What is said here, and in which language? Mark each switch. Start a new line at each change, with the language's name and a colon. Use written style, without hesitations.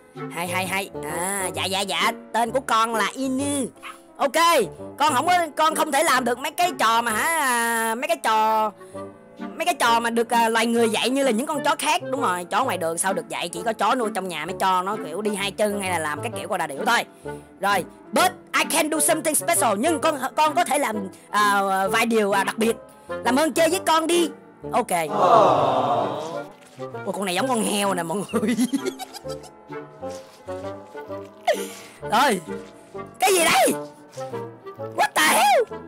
Vietnamese: Hay. Dạ. Tên của con là Inu. Ok, con không thể làm được mấy cái trò mà hả? Mấy cái trò mà được loài người dạy như là những con chó khác. Đúng rồi, chó ngoài đường sao được dạy. Chỉ có chó nuôi trong nhà mới cho nó kiểu đi hai chân hay là làm cái kiểu qua đà điểu thôi.
English: Rồi, but I can do something special.
Vietnamese: Nhưng con có thể làm vài điều đặc biệt. Làm ơn chơi với con đi. Ok. Ôi, con này giống con heo nè mọi người. Rồi, cái gì đây?
English: What the hell?